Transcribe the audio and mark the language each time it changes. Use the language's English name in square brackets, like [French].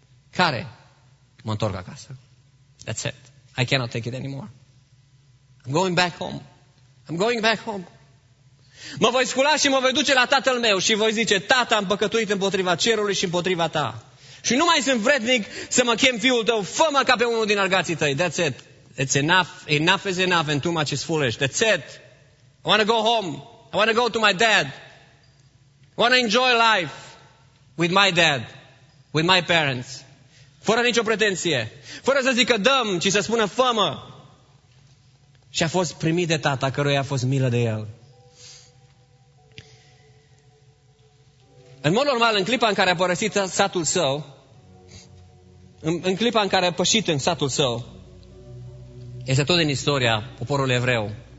[Romanian] Care? Mă întorc acasă. [English] That's it. I cannot take it anymore. I'm going back home. I'm going back home. [Romanian] Mă voi scula și mă voi duce la tatăl meu și voi zice, tata, am păcătuit împotriva cerului și împotriva ta. Și nu mai sunt vrednic să mă chem fiul tău, fă-mă ca pe unul din argații tăi. [English] That's it. It's enough. Enough is enough and too much is foolish. That's it. I want to go home. I want to go to my dad. I want to enjoy life with my dad, with my parents. [Romanian] Fără nicio pretenție. Fără să zică dăm, ci să spună fă-mă. Și a fost primit de tata, căruia a fost milă de el. În mod normal, în clipa în care a părăsit satul său, în clipa în care a pășit în satul său, este tot din istoria poporului evreu.